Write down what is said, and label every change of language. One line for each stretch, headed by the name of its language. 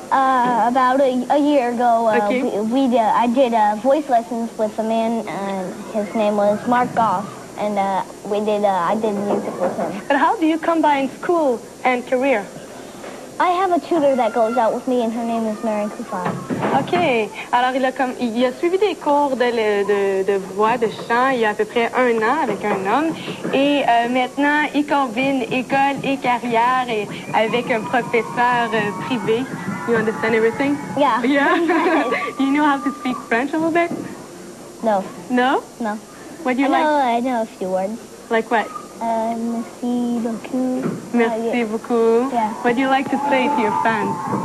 English: About a year ago, I did voice lessons with a man, and his name was Mark Goff. And I did music with him. But how do you combine school and career? I have a tutor that goes out with me, and her name is Marion Kufan. Okay.
French: Alors, il a suivi des cours de voix, de chant, il y a à peu près un an avec un homme. Et maintenant, il combine école et carrière et avec un professeur privé.
English: You understand everything? Yeah. Yeah? You know how to speak French a little bit? No. No? No. What do you I know a few words. Like what?
French: Merci beaucoup. Merci beaucoup.
English: Yeah. What do you like to say to your fans?